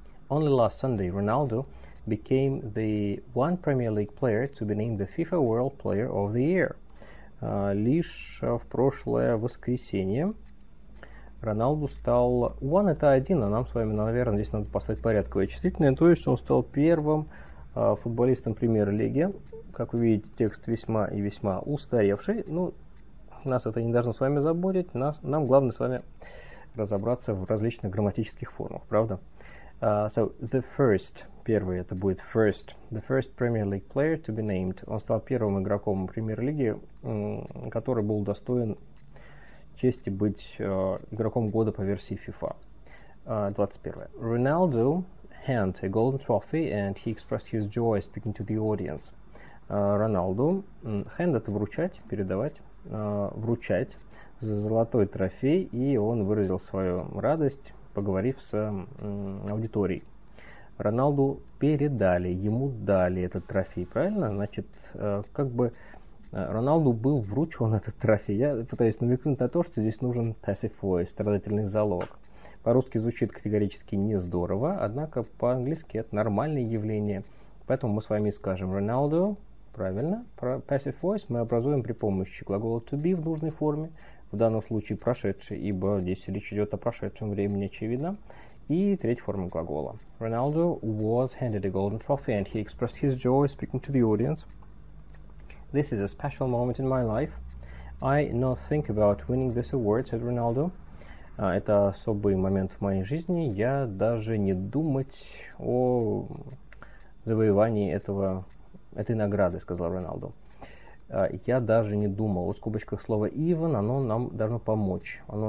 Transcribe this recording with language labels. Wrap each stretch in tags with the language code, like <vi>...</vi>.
<en>Only last Sunday, Ronaldo became the one Premier League player to be named the FIFA World Player of the Year.</en> <ru>Лишь в прошлое воскресенье Роналду стал... One — это один, а нам с вами, наверное, здесь надо поставить порядковое числительное. То есть он стал первым футболистом Премьер Лиги. Как вы видите, текст весьма и весьма устаревший. Ну, нас это не должно с вами заботить. Нам главное с вами разобраться в различных грамматических формах, правда?</ru> <en>So, the first,</en> <ru>первый это будет</ru> <en>first, the first Premier League player to be named.</en> <ru>Он стал первым игроком Премьер Лиги, который был достоин чести быть игроком года по версии FIFA. 21.</ru> <en>Ronaldo hand a golden trophy and he expressed his joy speaking to the audience.</en> <ru>Роналду hand — это вручать, передавать, вручать за золотой трофей, и он выразил свою радость, поговорив с аудиторией. Роналду передали, ему дали этот трофей, правильно? Значит, как бы Роналду был вручен этот трофей. Я пытаюсь намекнуть на то, что здесь нужен passive voice, страдательный залог. По-русски звучит категорически не здорово, однако по-английски это нормальное явление. Поэтому мы с вами скажем Роналду, правильно, passive voice мы образуем при помощи глагола to be в нужной форме, в данном случае прошедший, ибо здесь речь идет о прошедшем времени, очевидно, и третья форма глагола.</ru> <en>Ronaldo was handed a golden trophy and he expressed his joy speaking to the audience. This is a special moment in my life. I not think about winning this award, said Ronaldo.</en> <ru>Это особый момент в моей жизни. Я даже не думать о завоевании этой награды, сказал Роналду. Я даже не думал. В скобочках слово even, оно нам должно помочь.</ru>